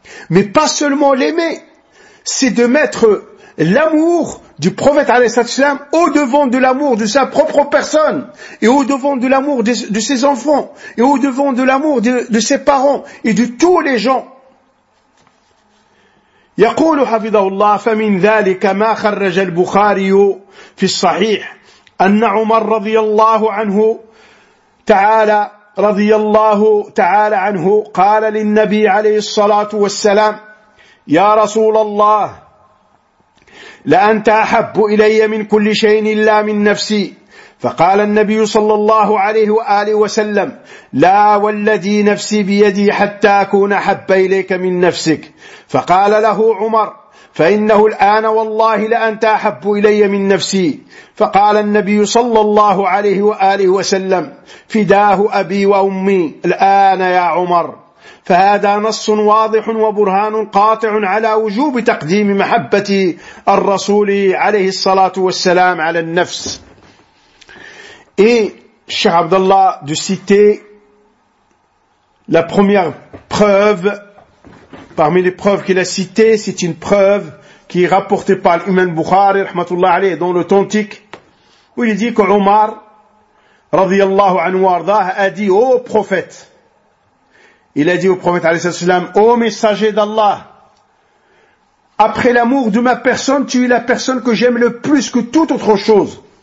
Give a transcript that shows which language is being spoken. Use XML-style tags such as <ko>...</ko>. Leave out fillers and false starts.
<fr>Mais pas seulement l'aimer, c'est de mettre l'amour du prophète alayhi salatu wasalam au devant de l'amour de sa propre personne, et au devant de l'amour de ses enfants, et au devant de l'amour de ses parents et de tous les gens.</fr> <ar>يقول حفظه الله فمن ذلك ما خرج البخاري في الصحيح أن عمر رضي الله عنه تعالى رضي الله تعالى عنه قال للنبي عليه الصلاة والسلام يا رسول الله لأنت أحب إلي من كل شيء إلا من نفسي فقال النبي صلى الله عليه وآله وسلم لا والذي نفسي بيدي حتى أكون أحب إليك من نفسك فقال له عمر فإنه الآن والله لأنت أحب إلي من نفسي فقال النبي صلى الله عليه وآله وسلم فداه أبي وأمي الآن يا عمر. فهذا نص واضح وبرهان قاطع على وجوب تقديم محبة الرسول عليه الصلاة والسلام على النفس.</ar> <fr>Et Cheikh Abdallah de citer la première preuve, parmi les preuves qu'il a citées, c'est une preuve qui est rapportée par l'imam Bukhari, rahmatullah alayhi, dans l'authentique, où il dit que Omar, radiyallahu anhu arda, a dit au prophète, il a dit au prophète alayhi salatu wasalam, ô messager d'Allah, après l'amour de ma personne, tu es la personne que j'aime le plus que toute autre chose.</fr>